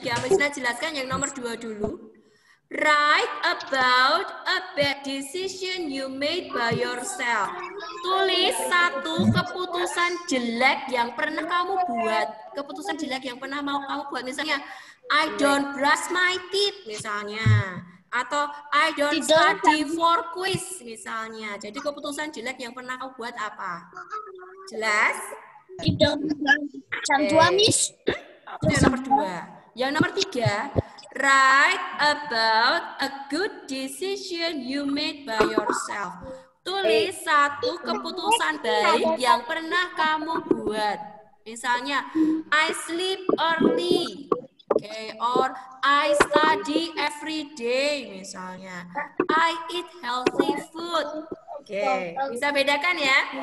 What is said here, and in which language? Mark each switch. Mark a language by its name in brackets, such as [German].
[Indonesian] Misalnya jelaskan yang nomor 2 dulu. [English] Write about a bad decision you made by yourself. [Indonesian] Tulis satu keputusan jelek yang pernah kamu buat. Keputusan jelek yang pernah mau kamu buat, misalnya [English] I don't brush my teeth [Indonesian] misalnya. Atau [English] I don't study for quiz [Indonesian] misalnya. Jadi keputusan jelek yang pernah kau buat apa? Jelas? Yang dua, Miss. Itu yang nomor dua. Yang nomor tiga, [English] write about a good decision you made by yourself. [Indonesian] Tulis satu keputusan baik yang pernah kamu buat. Misalnya, [English] I sleep early. Okay, or I study every day [Indonesian] misalnya. [English] I eat healthy food. Okay, [Indonesian] bisa bedakan ya.